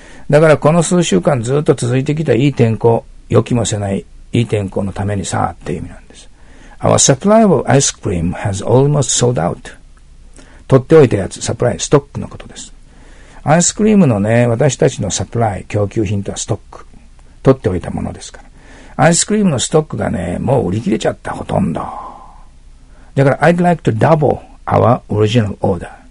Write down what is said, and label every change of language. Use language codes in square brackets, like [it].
[ja] だからこの数週間ずっと続いてきたいい天候、予期もせないいい天候のためにさあっていう意味なんです。 [en] Our supply of ice cream has almost sold out。 [ja] 取っておいたやつ、サプライ、ストックのことです。アイスクリームのね、私たちのサプライ、供給品とはストック、取っておいたものですから。アイスクリームのストックがね、もう売り切れちゃった、ほとんど。 [en] だから、I'd like to double our original order.